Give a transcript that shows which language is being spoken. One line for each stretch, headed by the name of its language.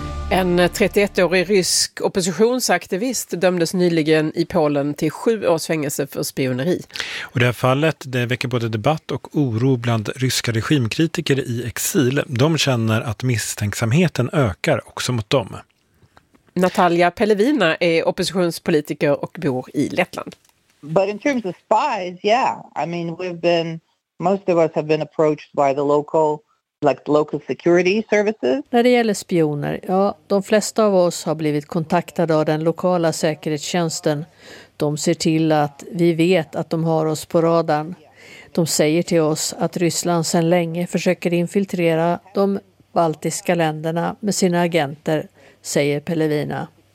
Swedish: En 31-årig rysk oppositionsaktivist dömdes nyligen i Polen till 7 års fängelse för spioneri. Och det här fallet, det väcker både debatt och oro bland ryska regimkritiker i exil. De känner att misstänksamheten ökar också mot dem. Natalia Pelevina är oppositionspolitiker och bor i Lettland.
English: But in terms of spies, yeah. I mean, most of us have been approached by the local, like local security services.
Swedish: När det gäller spioner, ja, de flesta av oss har blivit kontaktade av den lokala säkerhetstjänsten. De ser till att vi vet att de har oss på radarn. De säger till oss att Ryssland sedan länge försöker infiltrera de baltiska länderna med sina agenter, säger Pelevina.